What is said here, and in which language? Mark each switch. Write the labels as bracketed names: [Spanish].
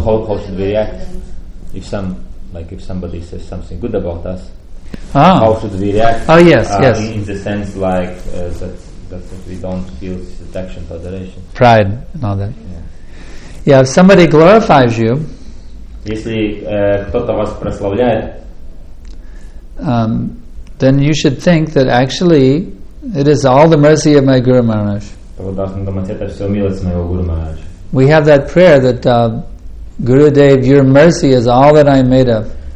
[English] How should we react if somebody says something good about us? Ah. How should we react? Oh yes. In the sense like that we don't feel this attraction, adoration, pride, and all that. Yeah. Yeah. If somebody glorifies you. [Russian] Если кто-то вас прославляет. [English] Then you should think that actually it is all the mercy of my Guru Maharaj. We have that prayer that Gurudev, your mercy is all that I am made of.